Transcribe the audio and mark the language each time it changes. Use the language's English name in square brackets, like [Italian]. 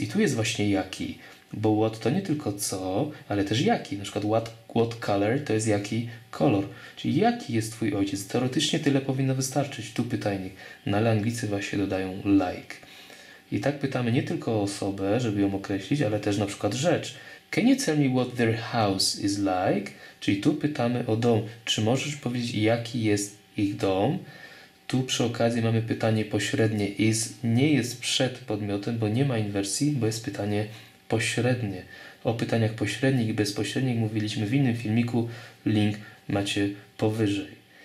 [Polish] I tu jest właśnie jaki. Bo what to nie tylko co, ale też jaki. Na przykład, what color to jest jaki kolor. Czyli jaki jest twój ojciec? Teoretycznie tyle powinno wystarczyć. Tu pytajnik. No ale Anglicy właśnie dodają like. I tak pytamy nie tylko o osobę, żeby ją określić, ale też na przykład rzecz. [English] Can you tell me what their house is like? [Polish] Czyli tu pytamy o dom. Czy możesz powiedzieć, jaki jest ich dom? Tu przy okazji mamy pytanie pośrednie. Is nie jest przed podmiotem, bo nie ma inwersji, bo jest pytanie pośrednie. O pytaniach pośrednich i bezpośrednich mówiliśmy w innym filmiku, link macie powyżej.